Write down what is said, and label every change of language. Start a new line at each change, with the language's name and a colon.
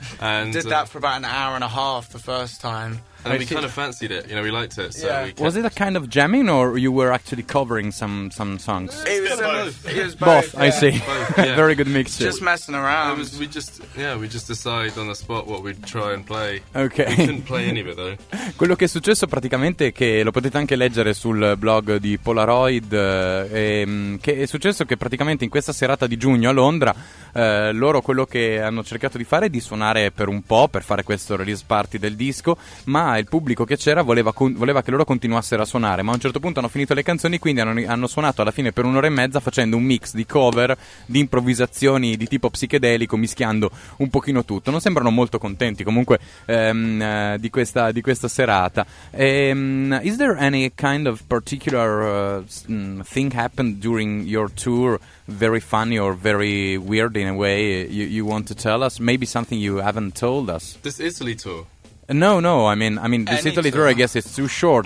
English: And did that for about an hour and a half the first time. And we kind of fancied it, you know, we liked it. So yeah. Was it a kind of jamming, or you were actually covering some songs? It was both. Yeah. I see. Both, yeah. Very good mixture. Just messing around. We just decide on the spot what we'd try and play. Okay. We couldn't play any of it though.
Italian: Quello che è successo praticamente, che lo potete anche leggere sul blog di Polaroid, che è successo che praticamente in questa serata di giugno a Londra, loro quello che hanno cercato di fare è di suonare per un po', per fare questo release party del disco, ma il pubblico che c'era voleva che loro continuassero a suonare, ma a un certo punto hanno finito le canzoni, quindi hanno suonato alla fine per un'ora e mezza facendo un mix di cover, di improvvisazioni di tipo psichedelico, mischiando un pochino tutto. Non sembrano molto contenti comunque di questa serata.
English: Is there any kind of particular thing happened during your tour, very funny or very weird in a way, you want to tell us? Maybe something you haven't told us. This Italy tour. No, I mean this Italy tour, I guess it's too short.